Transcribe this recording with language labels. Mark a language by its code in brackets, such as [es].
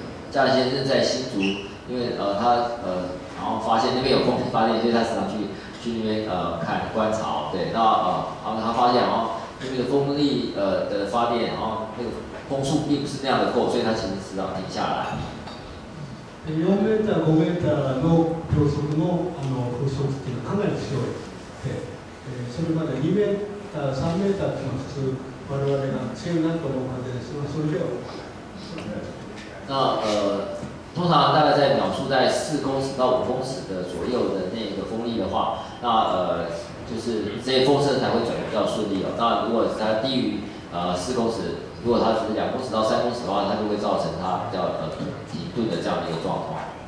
[ja] 嘉先生在新竹，因为他然后发现那边有风力发电，所以他时常去那边看观察。对，那他发现好像那边的风力的发电，然后那个风速并不是那样的够，所以它其实时常停下来。 4m、5m の秒速の風速っていうのはかなり強いで、それまで2m、3m っていうのは普通我々が強いなと思う感じですが、それでは。 [zh] 那通常大概在秒数在四公尺到五公尺的左右的那个风力的话，那就是这些风声才会转得比较顺利哦。那如果它低于四公尺，如果它是两公尺到三公尺的话，它就会造成它比较停顿的这样的一个状况。